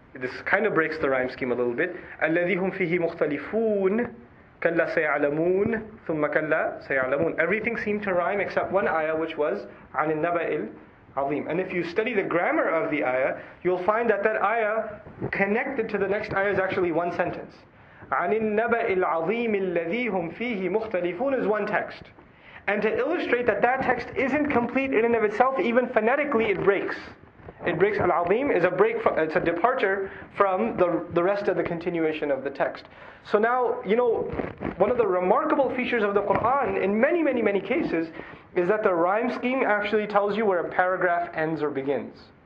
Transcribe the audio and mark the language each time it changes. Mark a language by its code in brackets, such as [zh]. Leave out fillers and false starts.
[en] This kind of breaks the rhyme scheme a little bit. [ar] الَّذِي هُمْ فِيهِ مُخْتَلِفُونَ كَلَّا سَيَعْلَمُونَ [en] ثُمَّ كَلَّا سَيَعْلَمُونَ. Everything seemed to rhyme except one ayah, which was [ar] عَنِ النَّبَإِ الْعَظِيمِ. [en] And if you study the grammar of the ayah, you'll find that that ayah connected to the next ayah is actually one sentence. [ar] عن النبأ العظيم الذي هم فيه مختلفون [en] is one text. And to illustrate that that text isn't complete in and of itself, even phonetically it breaks. It breaks, al-azim is a break, from, it's a departure from the rest of the continuation of the text. So now, you know, one of the remarkable features of the Qur'an in many, many, many cases is that the rhyme scheme actually tells you where a paragraph ends or begins.